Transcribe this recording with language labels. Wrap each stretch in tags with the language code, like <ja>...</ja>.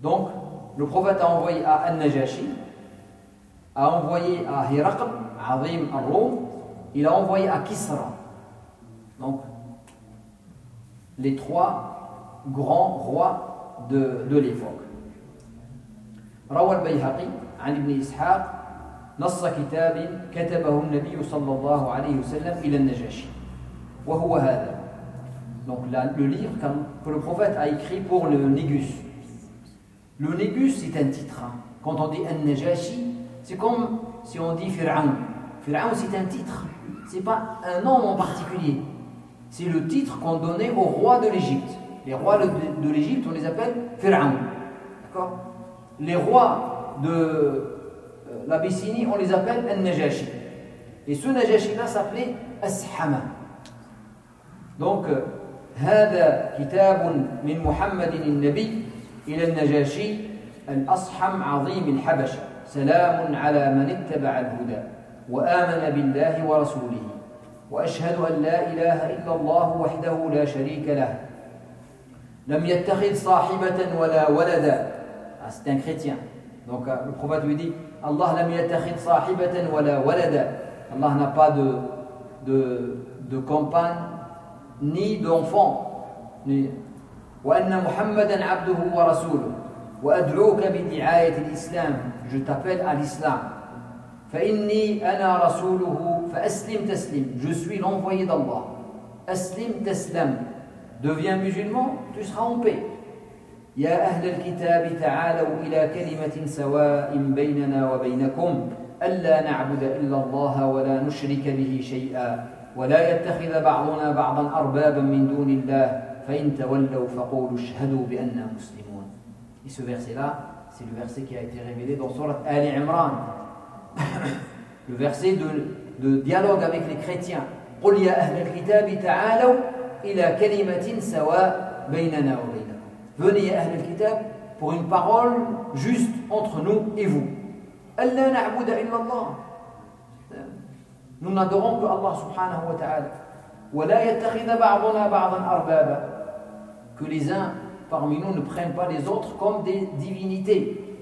<fr>Donc, le prophète a envoyé à An-Najashi, a envoyé à Hérakl, Azim, à Rome, il a envoyé à Kisra. Donc, les trois grands rois de l'époque.</fr> <ar>Rawa al-Bayhaqi, An ibn Ishaq, نص كتاب كتبه النبي صلى الله عليه وسلم إلى النجاشي وهو هذا.</ar> <fr>Donc là, le livre que le prophète a écrit pour le Négus. Le Négus, c'est un titre. Hein. Quand on dit An-Najashi, c'est comme si on dit Fir'aun. Fir'aun, c'est un titre. C'est pas un nom en particulier. C'est le titre qu'on donnait aux rois de l'Égypte. Les rois de l'Égypte, on les appelle Fir'aun. D'accord ? Les rois de l'Abyssinie, on les appelle An-Najashi. Et ce Najashi-là s'appelait As-Hama.</fr> <ar>Donc, هذا كتاب من محمد النبي إلى النجاشي الأصحم عظيم الحبشة سلام على من اتبع الهدى وآمن بالله ورسوله وأشهد أن لا إله إلا الله وحده لا شريك له لم يتخذ صاحبة ولا ولدا.</ar> <fr>C'est un chrétien. Donc le prophète lui dit Allah</fr> <ar>لم يتخذ صاحبة ولا ولدا.</ar> <fr>Allah n'a pas de compagne ni d'enfant ni</fr> <ar>وان محمدا عبده ورسوله وادعوك بدعايه الاسلام.</ar> <fr>Je t'appelle à l'islam.</fr> <ar>فاني انا رسوله فاسلم تسلم.</ar> <fr>Je suis l'envoyé d'Allah.</fr> <ar>اسلم تسلم.</ar> <fr>Deviens musulman, tu seras en paix.</fr> <ar>يا اهل الكتاب تعالوا الى كلمه سواء بيننا وبينكم الا نعبد الا الله ولا نشرك به شيئا ولا يتخذ بعضنا بعضا اربابا من دون الله فان تولوا فقولوا اشهدوا باننا مسلمون.</ar> <fr>Et ce verset là, c'est le verset qui a été révélé dans sourate Ali Imran. Le verset de dialogue avec les chrétiens.</fr> <ar>قل يا اهل الكتاب تعالوا الى كلمه سواء بيننا وبينكم.</ar> <fr>Venez</fr> <ar>اهل الكتاب</ar> <fr>pour une parole juste entre nous et vous.</fr> <ar>الا نعبد الا الله.</ar> <fr>Nous n'adorons que Allah subhanahu wa ta'ala.</fr> <ar>وَلَا يَتَّخِذَ بَعْضُنَا بَعْضًا أَرْبَابًا.</ar> <fr>Que les uns parmi nous ne prennent pas les autres comme des divinités.</fr>